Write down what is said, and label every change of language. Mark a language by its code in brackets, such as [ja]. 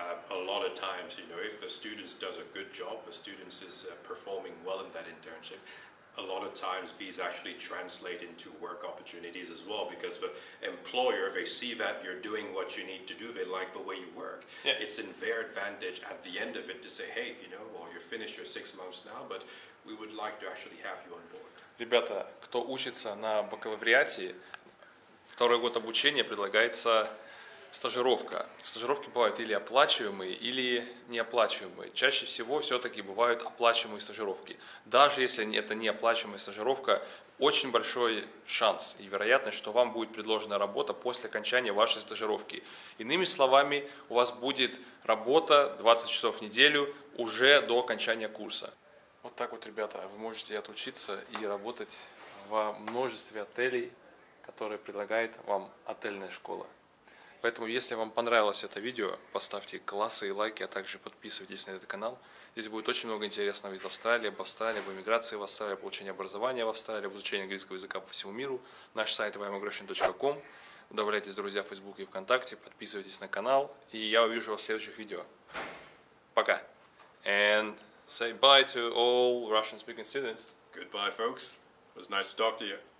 [en] A lot of times, you know, if the student does a good job, the student is performing well in that internship, a lot of times these actually translate into work opportunities as well, because the employer, they see that you're doing what you need to do, they like the way you work. Yeah. It's in their advantage at the end of it to say, hey, you know, well, you're finished your 6 months now, but we would like to actually have you on board. [ru] Ребята, кто учится на бакалавриате, второй год обучения предлагается стажировка. Стажировки бывают или оплачиваемые, или неоплачиваемые. Чаще всего все-таки бывают оплачиваемые стажировки. Даже если это неоплачиваемая стажировка, очень большой шанс и вероятность, что вам будет предложена работа после окончания вашей стажировки. Иными словами, у вас будет работа 20 часов в неделю уже до окончания курса. Вот так вот, ребята, вы можете отучиться и работать во множестве отелей, которые предлагает вам отельная школа. Поэтому, если вам понравилось это видео, поставьте классы и лайки, а также подписывайтесь на этот канал. Здесь будет очень много интересного из Австралии, об Австралии, об иммиграции в Австралии, об получении образования в Австралии, об изучении английского языка по всему миру. Наш сайт www.immigration.com. Добавляйтесь в друзья в Фейсбуке и ВКонтакте, подписывайтесь на канал, и я увижу вас в следующих видео. Пока! [en] And say bye to all Russian-speaking students. Goodbye, folks. It was nice to talk to you.